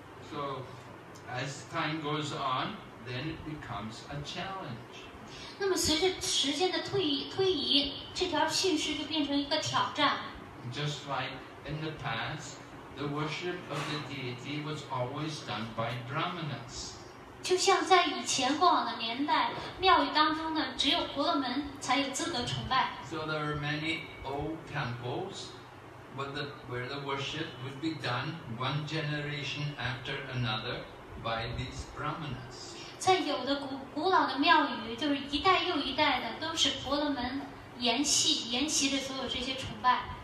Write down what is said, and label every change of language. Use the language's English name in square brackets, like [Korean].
[English] So, as time goes on,Then it becomes a challenge. [Chinese] 那么随着时间的推移，这条信誓就变成一个挑战。 [English] Just like in the past, the worship of the deity was always done by brahmanas. [Chinese] 就像在以前过往的年代，庙宇当中呢，只有婆罗门才有资格崇拜。 [English] So there are many old temples where the worship would be done one generation after another by these brahmanas. [Chinese] 在有的古老的庙宇，就是一代又一代的，都是婆罗门沿袭的所有这些崇拜。